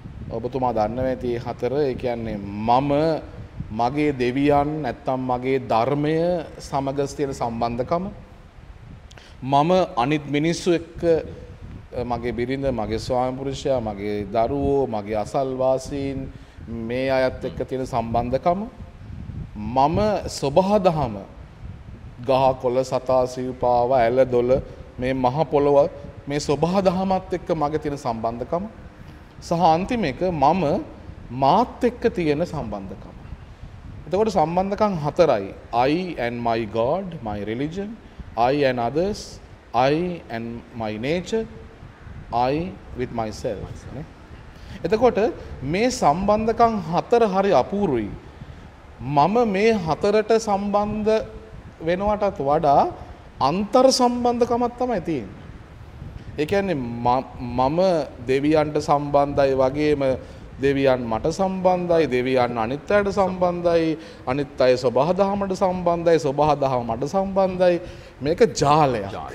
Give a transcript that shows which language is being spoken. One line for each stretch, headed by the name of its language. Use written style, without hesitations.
Sinhala: ඔබතුමා දන්නවා ඇති මේ හතර. ඒ කියන්නේ මම, මගේ දෙවියන්, නැත්තම් මගේ ධර්මය සමග තියෙන සම්බන්ධකම, මම අනිත් මිනිස්සු එක්ක, මගේ බිරිඳ, මගේ ස්වාමිපුරුෂයා, මගේ දරුවෝ, මගේ අසල්වාසීන් මේ අයත් එක්ක තියෙන සම්බන්ධකම, මම සබහදහම ගහ කොළ සතා සිව්පාව ඇල දොළ මේ මහ පොළව මේ සබහදහමත් එක්ක මගේ තියෙන සම්බන්ධකම, සහ අන්තිම එක මම මාත් එක්ක තියෙන සම්බන්ධකම. එතකොට සම්බන්ධකම් හතරයි.
English: I and my God, my religion, I and others, I and my nature, I with myself.
Sinhala: එතකොට මේ සම්බන්ධකම් හතර හරි අපූර්වයි. මම මේ හතරට සම්බන්ධ වෙනවටත් වඩා අන්තර් සම්බන්ධකමක් තමයි තියෙන්නේ. ඒ කියන්නේ මම දෙවියන්ට සම්බන්ධයි වගේම දෙවියන් මට සම්බන්ධයි, දෙවියන් අනිත් අයට සම්බන්ධයි, අනිත් අය සබහදහමට සම්බන්ධයි, සබහදහම මට සම්බන්ධයි. මේක ජාලයක්.